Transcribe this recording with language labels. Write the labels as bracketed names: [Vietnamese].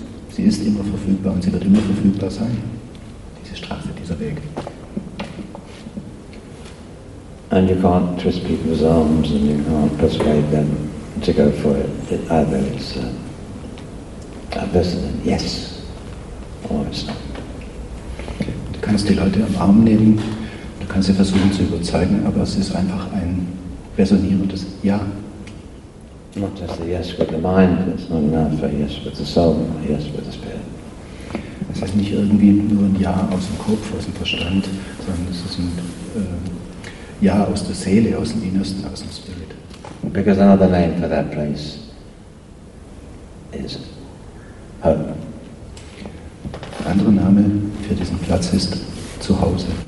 [German] Sie ist immer verfügbar und sie wird immer verfügbar sein. Diese Straße, dieser Weg. [English] And you can't twist people's arms and you can't persuade them to go for it. Either it's a person, yes, or it's not. [German] Du kannst die Leute am Arm nehmen, du kannst sie versuchen zu überzeugen, aber es ist einfach ein resonierendes Ja. [English] Not just a yes with the mind, it's not enough, a yes with the soul, a yes with the spirit. [German] Es ist nicht irgendwie nur ein Ja aus dem Kopf, aus dem Verstand, sondern es ist ein Ja aus der Seele, aus dem Innersten, aus dem Spirit. [English] Because another name for that place is home. [German] Ein anderer Name für diesen Platz ist Zuhause.